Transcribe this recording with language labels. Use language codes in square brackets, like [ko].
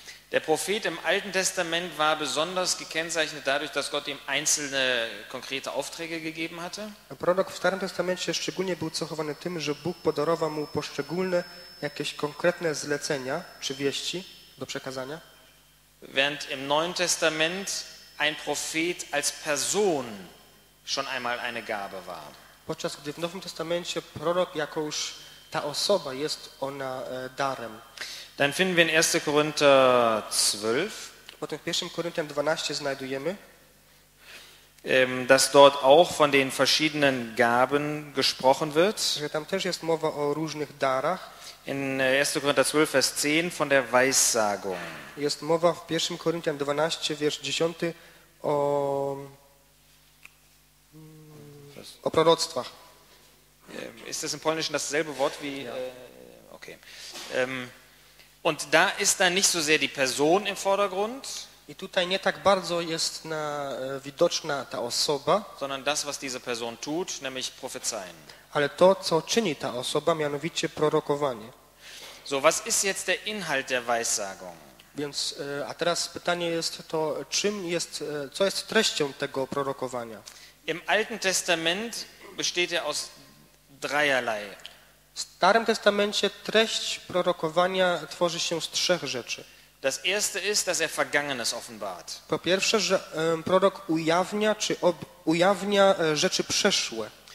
[de] Der Prophet im Alten Testament war besonders gekennzeichnet dadurch, dass Gott ihm einzelne konkrete Aufträge gegeben hatte. [pl] Prorok w Starym Testamencie szczególnie był cechowany tym, że Bóg podarował mu poszczególne jakieś konkretne zlecenia czy wieści do przekazania. [de] Während im Neuen Testament ein Prophet als Person schon einmal eine Gabe war. [pl] Podczas gdy w Nowym Testamencie prorok jako już ta osoba jest ona darem. [de] Dann finden wir in 1. Korinther 12. [pl] Potem w 1. Korinther 12 znajdujemy, [de] dass dort auch von den verschiedenen Gaben gesprochen wird. [pl] Że tam też jest mowa o różnych darach. [de] In 1. Korinther 12, Vers 10 von der Weissagung. [pl] Jest mowa w 1. Korinther 12, Vers 10 o... O proroctwach. [de] Ist das im Polnischen dasselbe Wort wie... Ja. Okay. Und da ist dann nicht so sehr die Person im Vordergrund, [pl] i tutaj nie tak bardzo jest na, widoczna ta osoba, [de] sondern das, was diese Person tut, nämlich prophezeien. [pl] Ale to, co czyni ta osoba, mianowicie prorokowanie. [de] So, was ist jetzt der Inhalt der Weissagung? [pl] Więc, a teraz pytanie jest to, czym jest, co jest treścią tego prorokowania? [de] Im Alten Testament besteht er aus dreierlei. [pl] W Starym Testamencie treść prorokowania tworzy się z trzech rzeczy. [de] Das erste ist, dass er Vergangenes offenbart. [pl] Po pierwsze, że prorok ujawnia, czy ujawnia rzeczy przeszłe.